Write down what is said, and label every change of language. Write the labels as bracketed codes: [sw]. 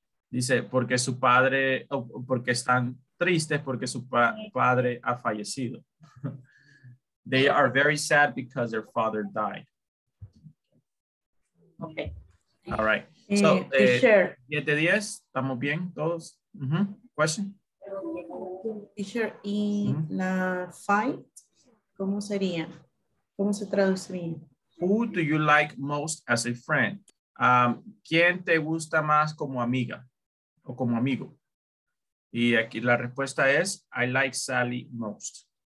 [es] Dice, porque su padre, porque están tristes, porque su padre ha fallecido. [en] They are very sad because their father died. Okay. All right. So, [es] 7 de 10, ¿estamos bien todos? Mm-hmm. Question? Teacher, y la fight, ¿cómo sería? ¿Cómo se traduciría? [en] Who do you like most as a friend? [es] ¿Quién te gusta más como amiga o como amigo? Y aquí la respuesta es, [en] I like Sally most.